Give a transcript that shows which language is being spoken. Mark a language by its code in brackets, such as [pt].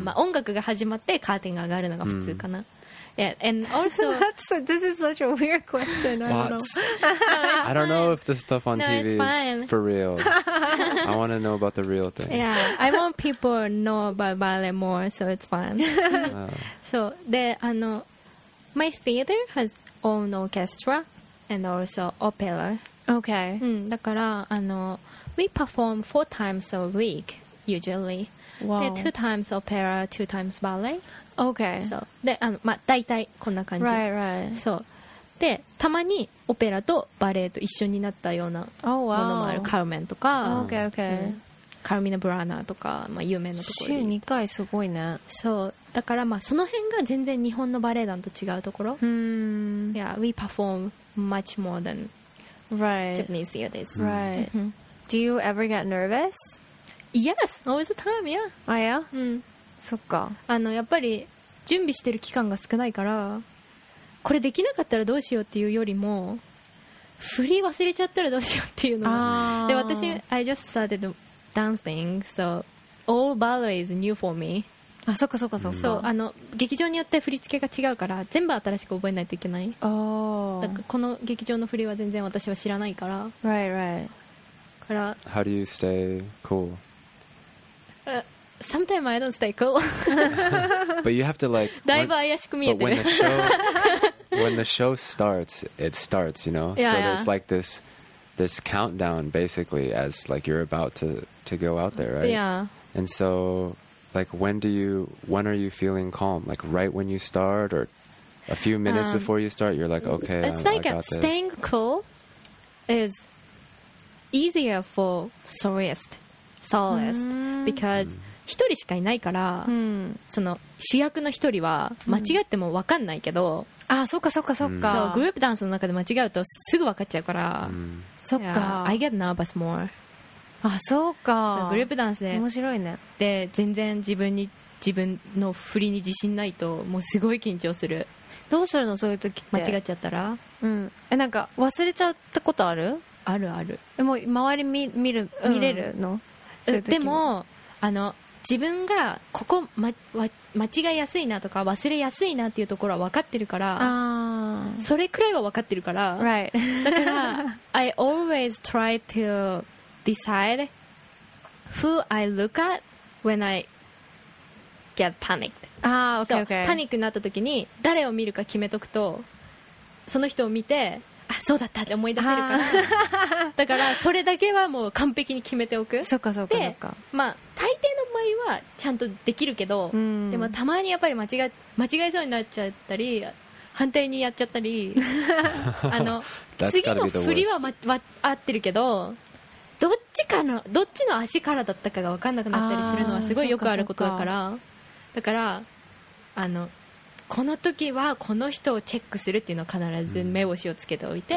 [ja] まあ、音楽が始まってカーテンが上がるのが普通かな。 [en] Yeah, and also this is such a weird question. I don't know. I don't know if the stuff on TV is for real. I want to know about the real thing. Yeah, I want people know about ballet more, so it's fun. So the my theater has own orchestra and also opera. Okay. [ja] だから [en] we perform 4 times a week usually. Wow. 2 times opera, 2 times ballet. Okay. So, [ja] で、まあ、大体こんな感じ。 [en] Right, right. [ja] そう。で、たまにオペラとバレエと一緒になったようなものもある。カルメンとか、 [en] okay, okay. [ja] カルミナ・ブラーナーとか、まあ、有名なところに。週2回すごいね。そう。だから、まあ、その辺が全然日本のバレエ団と違うところ。 [en] Yeah, we perform much more than Japanese theaters. Right. Do you ever get nervous? Yes, all the time, yeah. Oh, yeah? [ja] うん。そっか、やっぱり準備してる期間が少ないから、これできなかったらどうしようっていうよりも、振り忘れちゃったらどうしようっていうのが、で、私 [en] I just started dancing, so all ballet is new for me. [ja] あ、そっかそっかそっか。そう、劇場によって振り付けが違うから全部新しく覚えないといけない。だからこの劇場の振りは全然私は知らないから、 [en] right, right. [ja] から [en] How do you stay cool? Sometimes I don't stay cool. But you have to like. [ja] だいぶ怪しく見えてる。 [en] when the show starts, it starts, you know? Yeah, so yeah. there's like this countdown basically as like you're about to go out there, right? Yeah. And so, like, when are you feeling calm? Like, right when you start or a few minutes before you start, you're like, okay, I got this. It's like staying cool is easier for soloist because. [ja] 一人しかいないから、うん、その主役の一人は間違っても分かんないけど、うん、あ、そっかそっかそっか、そう、グループダンスの中で間違うとすぐ分かっちゃうから、うん、そっか、 [en] yeah. I get nervous more。 [ja] あ、そうか、そう、グループダンスで面白いね。で、全然自分の振りに自信ないともうすごい緊張する。どうするの、そういう時って。間違っちゃったら、うん、なんか忘れちゃったことある？あるある。でも周り 見る、うん、見れるの？そういう時も。でも自分がここ、間違いやすいなとか忘れやすいなっていうところは分かってるから、あ、それくらいは分かってるから、 [en] right. [ja] だから [en] I always try to decide who I look at when I get panicked. あ、okay, okay. [ja] パニックになった時に誰を見るか決めとくと、その人を見て、あ、そうだったって思い出せるから。だからそれだけはもう完璧に決めておく。そっかそっかそっか。まあ大抵の場合はちゃんとできるけど、うん、でもたまにやっぱり間違えそうになっちゃったり反対にやっちゃったりあの次の振りは、合ってるけど、どっちかのどっちの足からだったかが分かんなくなったりするのはすごいよくあることだから、だからあのこの時はこの人をチェックするっていうのを必ず目星をつけておいて、う